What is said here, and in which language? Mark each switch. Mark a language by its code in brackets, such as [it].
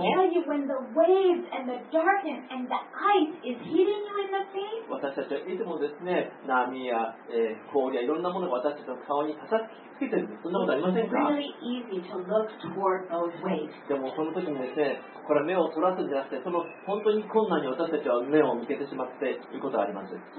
[en] let me tell you, when the waves and the darkness and the ice is hitting you in the face, [ja] 私たちはいつもですね、波や、氷やいろんなものが私たちの顔に刺さってきてるんです。そんなことありませんか？ [en] It's really easy to look toward those waves. [ja] でもその時にですね、これ目を取らすんじゃなくて、その本当に困難に私たちは目を向けてしまっていることがあります。